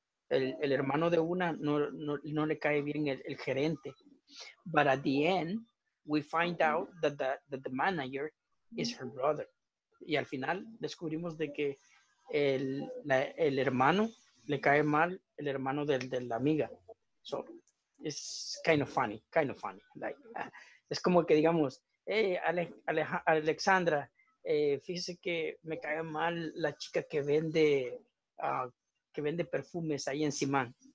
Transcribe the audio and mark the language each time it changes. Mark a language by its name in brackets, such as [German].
[Spanish] El hermano de una no le cae bien el gerente. [English] But at the end, we find out that the manager is her brother. [Spanish] Y al final descubrimos de que el hermano le cae mal el hermano de la amiga. [English] So it's kind of funny. Like, [Spanish] es como que digamos, hey, Alexandra, fíjese que me cae mal la chica que vende perfumes ahí en Simán.